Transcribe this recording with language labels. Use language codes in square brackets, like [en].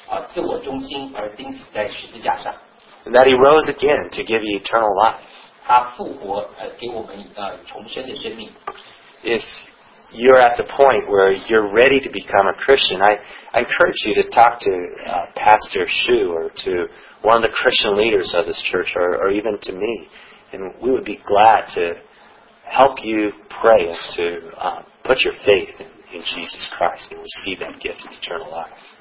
[zh] 知道神为我们的自我中心而钉死在十字架上。 [en] And that he rose again to give you eternal life. [zh] 他复活给我们重生的生命。 [en] If you're at the point where you're ready to become a Christian, I encourage you to talk to Pastor Xu or to one of the Christian leaders of this church or even to me. And we would be glad to help you pray and to put your faith in Jesus Christ and receive that gift of eternal life.